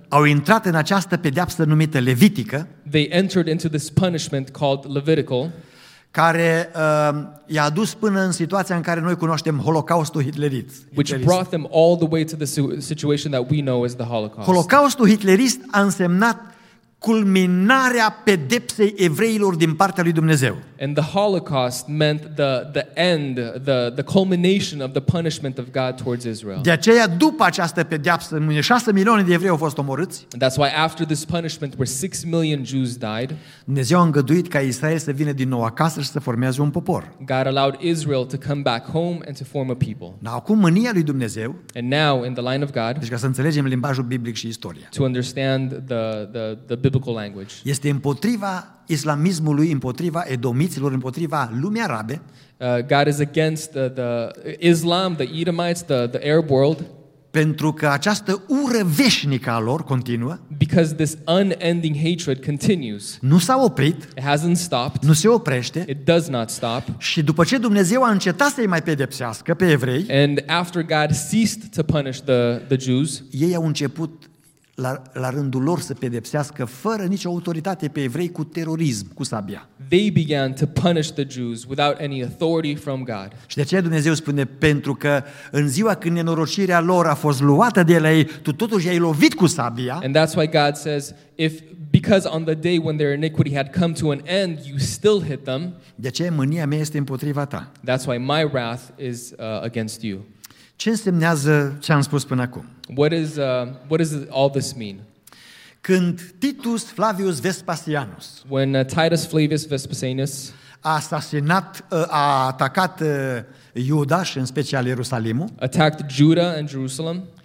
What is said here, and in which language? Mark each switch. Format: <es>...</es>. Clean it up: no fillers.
<ro>au intrat în această pedeapsă numită Levitică,</ro> <en>they entered into this punishment called Levitical,</en> <ro>care i-a dus până în situația în care noi cunoaștem Holocaustul hitlerist.</ro> <en>Which brought them all the way to the situation that we know as the Holocaust.</en> <ro>Holocaustul hitlerist a însemnat culminarea pedepsei evreilor din partea lui Dumnezeu.</ro> <en>And the Holocaust meant the end, the culmination of the punishment of God towards Israel.</en> <ro>De aceea după această pedeapsă 6 milioane de evrei au fost omorâți.</ro> <en>That's why after this punishment where 6 million Jews died.</en> <ro>Dumnezeu a îngăduit ca Israel să vină din nou acasă și să formeze un popor.</ro> <en>God allowed Israel to come back home and to form a people.</en> <ro>Acum mânia lui Dumnezeu.</ro> <en>And now in the line of God.</en> <ro>Deci ca să înțelegem limbajul biblic și istoria.</ro> <en>To understand the biblical language.</en> <ro>Este împotriva islamismului, împotriva edomiților, împotriva lumii arabe.</ro> <en>God is against the Islam, the Edomites, the Arab world.</en> <ro>Pentru că această ură veșnică a lor continuă.</ro> <en>Because this unending hatred continues.</en> <ro>Nu s-a oprit.</ro> <en>It hasn't stopped.</en> <ro>Nu se oprește.</ro> <en>It does not stop.</en> <ro>Și după ce Dumnezeu a încetat să-i mai pedepsească pe evrei,</ro> <en>and after God ceased to punish the Jews,</en> <ro>ei au început la rândul lor să pedepsească fără nicio autoritate pe evrei cu terorism, cu sabia.</ro> <en>They began to punish the Jews without any authority from God.</en> <ro>Și de aceea Dumnezeu spune, pentru că în ziua când nenorocirea lor a fost luată de la ei, tu totuși i-ai lovit cu sabia.</ro> <en>And that's why God says, if because on the day when their iniquity had come to an end, you still hit them.</en> <ro>De aceea mânia mea este împotriva ta.</ro> <en>That's why my wrath is against you.</en> <ro>Ce însemnează ce am spus până acum?</ro> <en>What does all this mean?</en> <ro>Când Titus Flavius Vespasianus,</ro> <en>when Titus Flavius Vespasianus</en> <ro>a atacat Iuda și în special Ierusalimul,</ro> <en>attacked Judah and Jerusalem,</en>